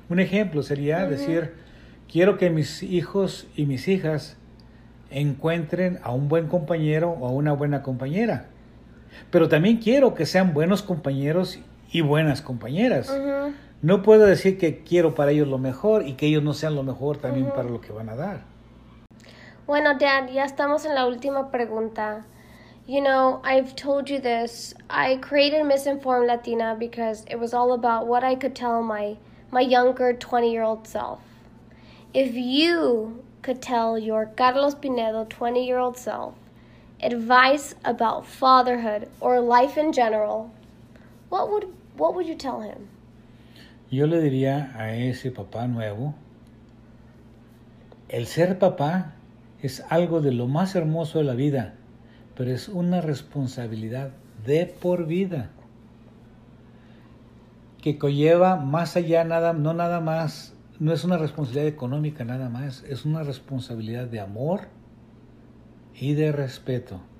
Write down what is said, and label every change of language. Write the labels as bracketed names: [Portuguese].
[Spanish] Un ejemplo sería decir, quiero que mis hijos y mis hijas encuentren a un buen compañero o a una buena compañera. Pero también quiero que sean buenos compañeros y buenas compañeras. No puedo decir que quiero para ellos lo mejor y que ellos no sean lo mejor también para lo que van a dar. Bueno, Dad, ya estamos en la última pregunta. [English] You know, I've told you this. I created Misinformed Latina because it was all about what I could tell my younger 20-year-old self. If you could tell your Carlos Pinedo 20-year-old self advice about fatherhood or life in general, what would you tell him? [Spanish] Yo le diría a ese papá nuevo, el ser papá es algo de lo más hermoso de la vida, pero es una responsabilidad de por vida que conlleva más allá, no es una responsabilidad económica nada más, es una responsabilidad de amor y de respeto.